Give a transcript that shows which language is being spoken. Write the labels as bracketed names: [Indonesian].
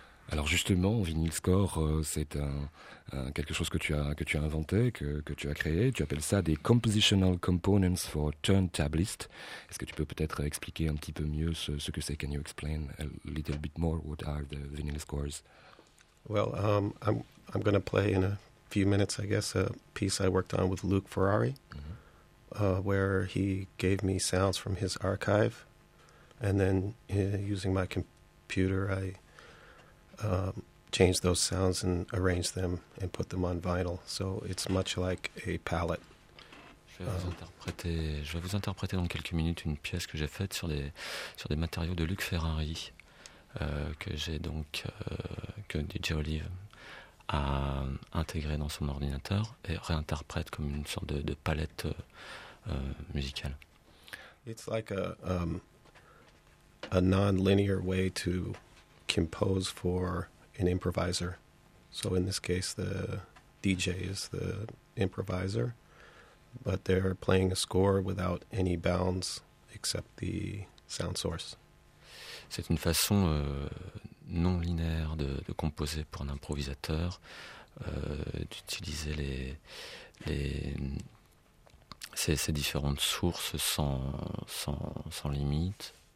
[French] Alors justement, vinyl score, c'est quelque chose que tu as inventé, que tu as créé. Tu appelles ça des compositional components for turntablist. Est-ce que tu peux peut-être expliquer un petit peu mieux ce que c'est? [English] Can you explain a little bit more what are the vinyl scores? Well, I'm going to play in a few minutes, I guess, a piece I worked on with Luke Ferrari, where he gave me sounds from his archive, and then using my computer, I changed those sounds and arranged them and put them on vinyl. So it's much like a palette. [French] Je vais vous interpréter dans quelques minutes une pièce que j'ai faite sur des matériaux de Luke Ferrari. Que j'ai donc que DJ Olive a intégré dans son ordinateur et réinterprète comme une sorte de palette musicale. [English] It's like a non-linear way to compose for an improviser. So in this case, the DJ is the improviser, but they're playing a score without any bounds except the sound source. [French] C'est une façon non linéaire de composer pour un improvisateur, d'utiliser ces différentes sources sans limite.